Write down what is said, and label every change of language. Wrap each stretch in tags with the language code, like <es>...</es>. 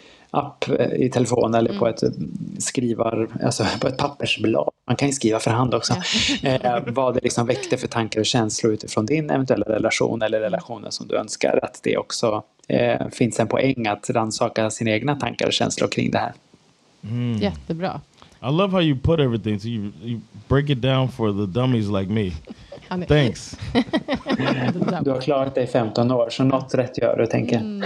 <sv>app i telefon eller på ett skrivar, alltså på ett pappersblad. Man kan ju skriva för hand också. Vad det liksom väckte för tankar och känslor utifrån din eventuella relation eller relationen som du önskar. Att det också finns en poäng att rannsaka sina egna tankar och känslor kring det här. Mm. Jättebra.</sv> <en>I love how you put everything. So you break it down for the dummies like me. Thanks.</en> <sv>Du har klarat dig 15 år, så något rätt gör du, tänker.</sv>